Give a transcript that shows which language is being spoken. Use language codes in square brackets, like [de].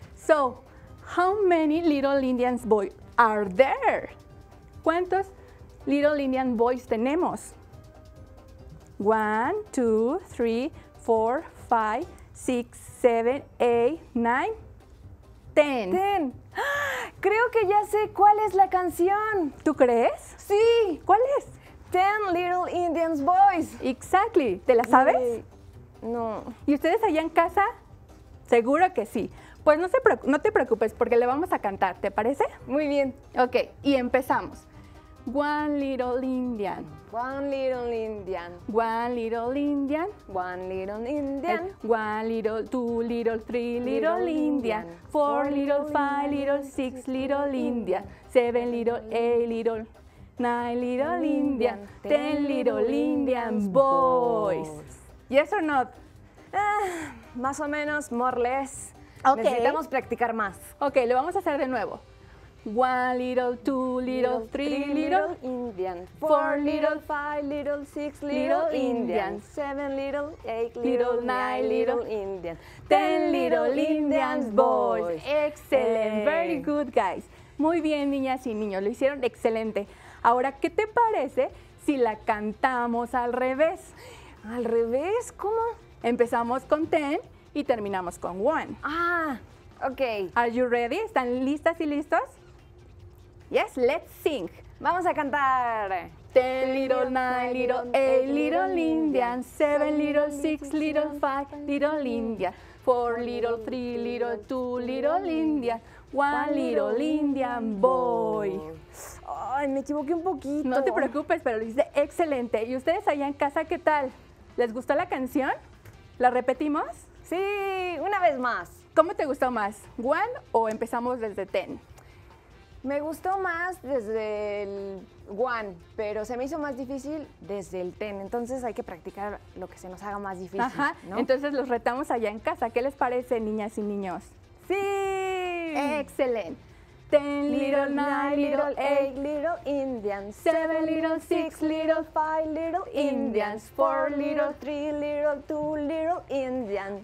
[en] So, how many Little Indian Boys are there? [es] ¿Cuántos Little Indian Boys tenemos? [en] 1, 2, 3, 4, 5, 6, 7, 8, 9, 10. [es] ¡10! Creo que ya sé cuál es la canción. ¿Tú crees? ¡Sí! ¿Cuál es? [en] 10 Little Indian Boys. Exactly. [es] ¿Te la sabes? No. ¿Y ustedes allá en casa? Seguro que sí. Pues no te preocupes porque le vamos a cantar, ¿te parece? Muy bien. [en] Ok, [es] y empezamos. [en] One little Indian. One little Indian. One little Indian. One little Indian. One little, two little, three little Indian. Four little, five little, six little Indian. Seven little, eight little, nine little Indian. Ten little Indian boys. Yes or not? [es] Más o menos, [en] more less. Okay. [es] Necesitamos practicar más. Ok, lo vamos a hacer de nuevo. [en] One little, two little, three little Indian. Four little, five little, six little Indian. Seven little, eight little, nine little Indian. Ten little Indian boys. Excellent. Very good, guys. [es] Muy bien, niñas y niños. Lo hicieron excelente. Ahora, ¿qué te parece si la cantamos al revés? ¿Al revés? ¿Cómo? Empezamos con ten y terminamos con one. Ah, ok. [en] Are you ready? [es] ¿Están listas y listos? [en] Yes, let's sing. [es] Vamos a cantar. [en] Ten little, nine little, eight little Indian. Seven little, six little, five little Indian. Four little, three little, two little Indian. One little Indian boy. [es] Ay, me equivoqué un poquito. No te preocupes, pero lo hice excelente. ¿Y ustedes allá en casa qué tal? ¿Les gustó la canción? ¿La repetimos? Sí, una vez más. ¿Cómo te gustó más? ¿One o empezamos desde ten? Me gustó más desde el one, pero se me hizo más difícil desde el ten. Entonces hay que practicar lo que se nos haga más difícil. Ajá, ¿no? Entonces los retamos allá en casa. ¿Qué les parece, niñas y niños? ¡Sí! ¡Excelente! [en] Ten little, nine little, eight little Indians. Seven little, six little, five little Indians. Four little, three little, two little Indians.